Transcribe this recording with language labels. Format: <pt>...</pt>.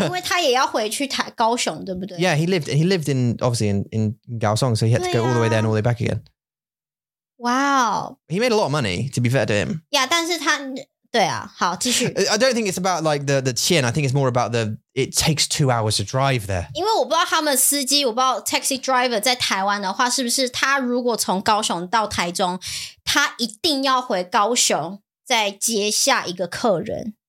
<zh>因为他也要回去高雄，对不对？</zh> <en>Yeah, he lived in obviously in Kaohsiung, so he had to go all the way there and all the way back again. Wow. He made a lot of money, to be fair to him.</en> <zh>Yeah, 但是他对啊，好继续。</zh> <en>I don't think it's about like the</en> <zh>钱.</zh> <en>I think it's more about the it takes 2 hours to drive there.</en> <zh>因为我不知道他们司机，我不知道</zh> <en>taxi driver</en> <zh>在台湾的话，是不是他如果从高雄到台中，他一定要回高雄再接下一个客人。</zh>